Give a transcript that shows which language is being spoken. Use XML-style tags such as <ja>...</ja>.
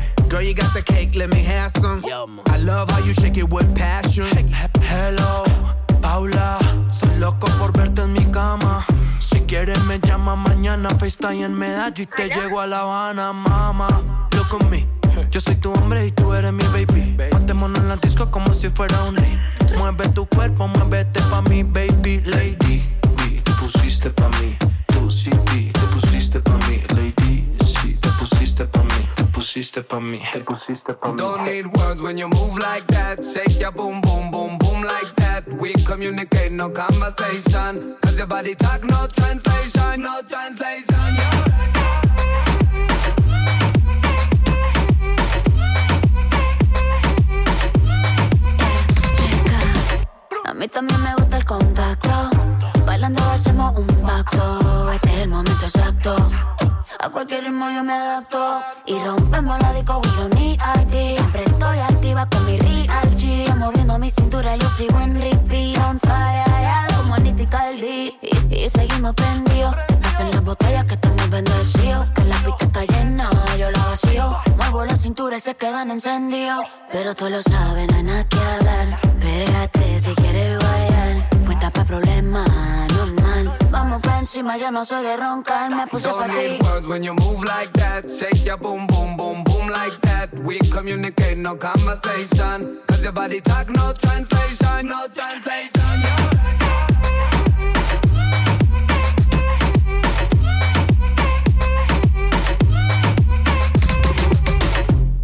<en>Girl, you got the cake, let me have some. I love how you shake it with passion. Hello, Paula.</en> <es>Loco por verte en mi cama. Si quieres me llama mañana. FaceTime en Medallo y te llego a La Habana.</es> <en>Mama, look at me.</en> <es>Yo soy tu hombre y tú eres mi baby. Montémonos en la disco como si fuera un lead. Mueve tu cuerpo, muévete pa' mí, baby, lady. Te pusiste pa' mí, tú sí, te pusiste pa' mí, lady. Te pusiste pa' mí.</es> <en>Don't need words when you move like that. Shake your boom, boom, boom, boom like that. We communicate, no conversation. Cause your body talk, no translation. No translation, yeah.</en> <es>Chica, a mí también me gusta el contacto. Bailando hacemos un pacto. Este es el momento exacto. A cualquier ritmo yo me adapto. Y rompemos la disco,</es> <en>we don't need ID.</en> <es>Siempre estoy activa con mi real G. Yo moviendo mi cintura, yo sigo en repeat.</es> <en>On fire, yeah,</en> <es>como Nitty Caldi. Y seguimos prendidos. Te tapen las botellas que estamos bendecidos. Que la pista está llena, yo la vacío. Muevo la cintura y se quedan encendidos. Pero todos lo saben, no hay nada que hablar. Pégate si quieres bailar. Puesta pa' problemas, no.</es> <en>Don't need words when you move like that. Shake your boom, boom, boom, boom like that. We communicate, no conversation. Cause your body talk, no translation. No translation, yeah.</en>